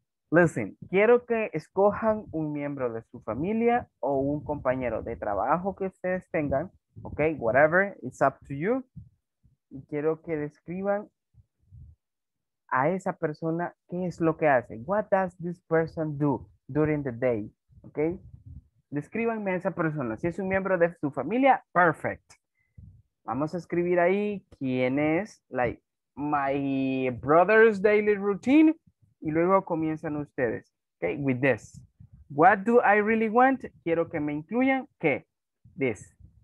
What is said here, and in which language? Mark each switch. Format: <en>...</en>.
<es>Listen, quiero que escojan un miembro de su familia o un compañero de trabajo que ustedes tengan.</es> <en>Okay, whatever, it's up to you.</en> <es>Y quiero que describan a esa persona qué es lo que hace.</es> <en>What does this person do during the day?</en> <es>Ok. Descríbanme a esa persona. Si es un miembro de su familia, perfect. Vamos a escribir ahí quién es, like,</es> <en>my brother's daily routine.</en> <es>Y luego comienzan ustedes.</es> <en>Ok, with this. What do I really want?</en> <es>Quiero que me incluyan. ¿Qué?</es> <en>This.</en>